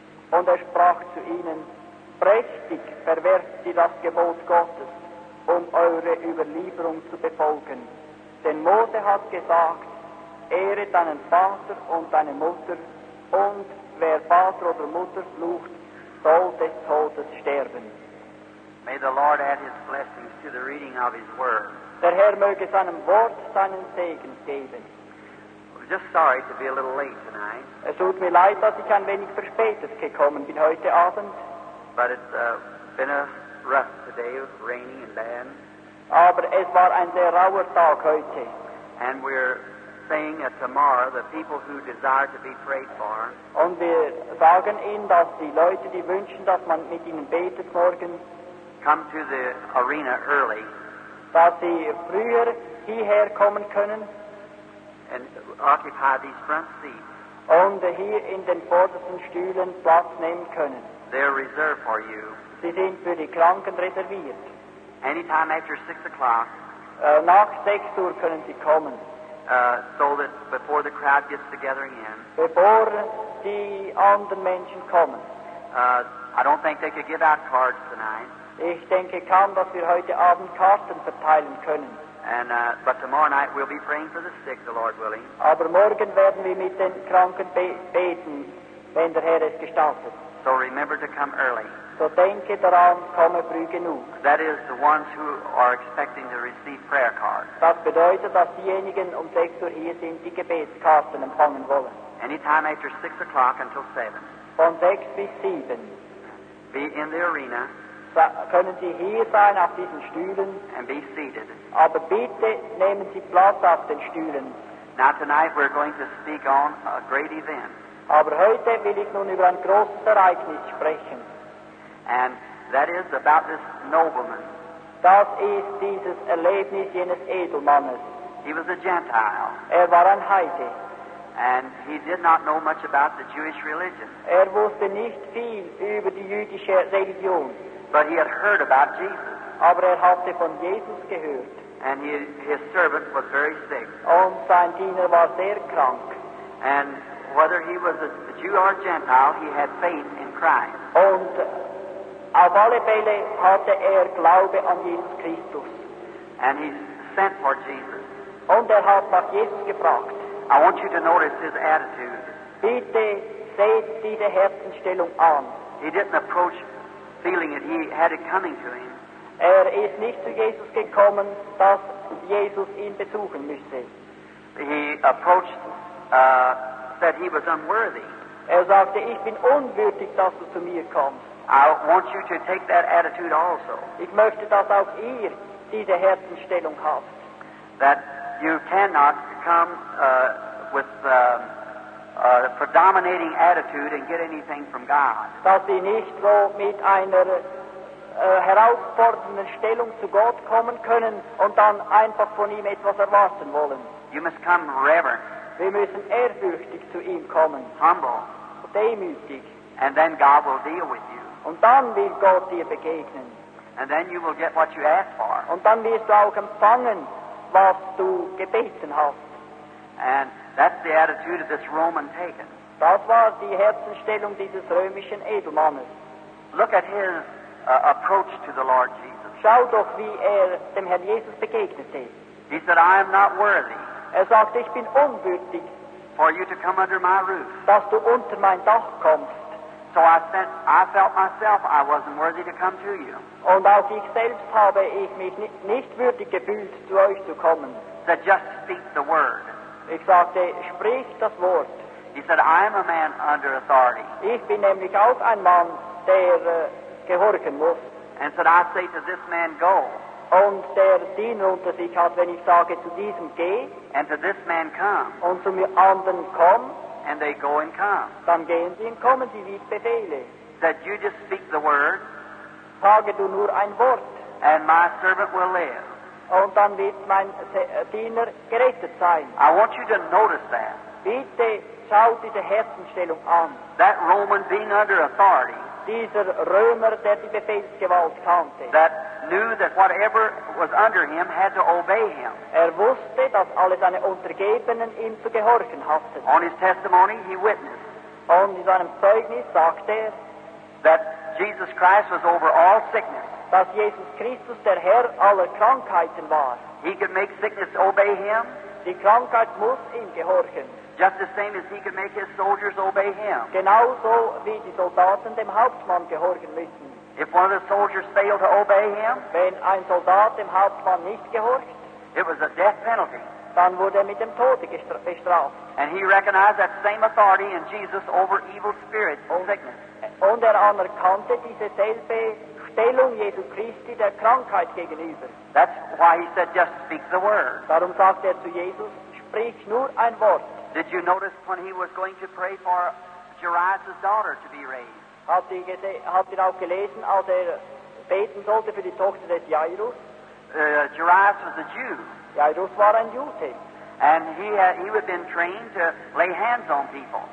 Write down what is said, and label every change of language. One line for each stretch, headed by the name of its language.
German: Und er sprach zu ihnen, prächtig verwerft ihr das Gebot Gottes, um eure Überlieferung zu befolgen. Denn Mose hat gesagt, ehre deinen Vater und deine Mutter, und wer Vater oder Mutter flucht, soll des Todes sterben.
English: May the Lord add His blessings to the reading of His Word.
German: Der Herr möge seinem Wort seinen Segen geben.
English: I'm just sorry to be a little late tonight.
German: Es tut mir leid, dass ich ein wenig verspätet gekommen bin heute Abend.
English: But it's been a rough day, rainy and bad.
German: Aber es war ein sehr rauer Tag heute.
English: And we're saying that tomorrow the people who desire to be prayed for.
German: Und wir sagen ihnen, dass die Leute, die wünschen, dass man mit ihnen betet morgen,
English: come to the arena early.
German: Dass sie früher hierher kommen können.
English: And occupy these front seats.
German: Und hier in den vordersten Stühlen Platz nehmen können.
English: They're reserved for you.
German: Sie sind für die Kranken reserviert.
English: Anytime after 6 o'clock.
German: Nach 6 Uhr können sie kommen.
English: So that before the crowd gets together again.
German: Bevor die anderen Menschen kommen.
English: I don't think they could give out cards tonight.
German: Ich denke kaum, dass wir heute Abend Karten verteilen können.
English: And but tomorrow night we'll be praying for the sick, the Lord willing.
German: Aber morgen werden wir mit den Kranken beten, wenn der Herr es gestattet.
English: So remember to come early.
German: So denke daran, komme früh genug.
English: That is the ones who are expecting to receive prayer cards.
German: Das bedeutet, dass diejenigen um 6 Uhr hier sind, die Gebetskarten empfangen wollen.
English: Anytime after 6 o'clock until 7.
German: Von 6 bis 7.
English: Be in the arena.
German: Können Sie hier sein auf diesen Stühlen?
English: And be seated.
German: Aber bitte nehmen Sie Platz auf den Stühlen.
English: Now tonight we're going to speak on a great event.
German: Aber heute will ich nun über ein großes Ereignis sprechen.
English: And that is about this nobleman.
German: Das ist dieses Erlebnis jenes Edelmannes.
English: He was a Gentile.
German: Er war ein Heide.
English: And he did not know much about the Jewish religion.
German: Er wusste nicht viel über die jüdische Religion.
English: But he had heard about Jesus.
German: Aber er hatte von Jesus gehört.
English: And his servant was very sick.
German: Und sein Diener war sehr krank.
English: And whether he was a Jew or a Gentile, he had faith in Christ.
German: Und auf alle Fälle hatte er Glaube an Jesus Christus.
English: And he sent for Jesus.
German: Und er hat nach Jesus gefragt.
English: I want you to notice his attitude.
German: Bitte seht diese Herzenstellung an.
English: He didn't approach feeling that he had it coming to him.
German: Er ist nicht zu Jesus gekommen, dass Jesus ihn besuchen müsse.
English: He approached, said he was unworthy.
German: Er sagte, ich bin unwürdig, dass du zu mir kommst.
English: I want you to take that attitude also.
German: Ich möchte, dass auch ihr diese Herzenstellung habt.
English: That you cannot come with a predominating attitude and get anything from God.
German: Dass sie nicht so mit einer herausfordernden Stellung zu Gott kommen können und dann einfach von ihm etwas erwarten wollen.
English: You must come reverent.
German: Wir müssen ehrfürchtig zu ihm kommen.
English: Humble.
German: Demütig.
English: And then God will deal with you.
German: Und dann wird Gott dir begegnen.
English: And then you will get what you asked for.
German: Und dann wirst du auch empfangen, was du gebeten hast.
English: And that's the attitude of this Roman pagan.
German: Das war die Herzenstellung dieses römischen Edelmannes.
English: Look at his approach to the Lord Jesus.
German: Schau doch, wie er dem Herrn Jesus begegnete.
English: He said, I am not worthy.
German: Er sagte, ich bin unwürdig.
English: For you to come under my roof.
German: Dass du unter mein Dach kommst.
English: So I felt myself I wasn't worthy to come to you.
German: Und auch ich selbst habe ich mich nicht würdig gefühlt, zu euch zu kommen.
English: That just speak the word.
German: Ich sagte, sprich das Wort.
English: He said, I am a man under authority.
German: Ich bin nämlich auch ein Mann, der gehorchen muss.
English: And said, I say to this man, go.
German: Und der Diener unter sich hat, wenn ich sage, zu diesem geh.
English: And to this man, come.
German: Und zu mir anderen komm.
English: And they go and come.
German: Dann gehen sie und kommen sie, wie ich befehle.
English: Said, you just speak the word.
German: Sage du nur ein Wort.
English: And my servant will live.
German: Und dann wird mein Diener gerettet sein.
English: I want you to notice that.
German: Bitte schau diese Herzenstellung an.
English: That Roman being under authority.
German: Dieser Römer, der die Befehlsgewalt kannte.
English: That knew that whatever was under him had to obey him.
German: Er wusste, dass alle seine Untergebenen ihm zu gehorchen hatten.
English: On his testimony, he witnessed.
German: Und in seinem Zeugnis sagte er,
English: that Jesus Christ was over all sickness.
German: Dass Jesus Christus der Herr aller Krankheiten war.
English: He could make sickness obey him.
German: Die Krankheit muss ihm gehorchen.
English: Just the same as he could make his soldiers obey him.
German: Genauso wie die Soldaten dem Hauptmann gehorchen müssen.
English: If one of the soldiers failed to obey him,
German: wenn ein Soldat dem Hauptmann nicht gehorcht,
English: it was a death penalty.
German: Dann wurde er mit dem Tode bestraft.
English: And he recognized that same authority in Jesus over evil spirits and sickness.
German: Und er anerkannte diese selbe Stellung Jesu Christi der Krankheit gegenüber.
English: That's why he said, just speak the word.
German: Darum sagte er zu Jesus, sprich nur ein Wort.
English: Did you notice when he was going to pray for Jairus' daughter to be raised?
German: Habt ihr auch gelesen, als er beten sollte für die Tochter des Jairus?
English: Jairus was a Jew.
German: Jairus war ein Jude.
English: And he had been trained to lay hands on people.